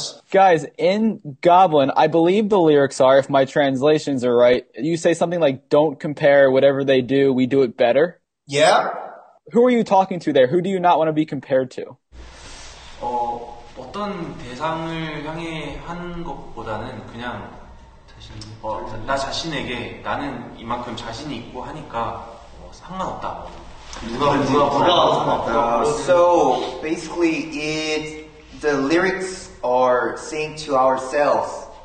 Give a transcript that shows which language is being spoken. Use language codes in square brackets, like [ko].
[en] Guys, in Goblin, I believe the lyrics are, if my translations are right, you say something like, don't compare whatever they do, we do it better. Yeah. Who are you talking to there? Who do you not want to be compared to? [ko] 어떤 대상을 향해 한 것보다는 그냥 나 자신에게 나는 이만큼 자신이 있고 하니까 상관없다. 누가 상관없다. [en] So basically, the lyrics are saying to ourselves.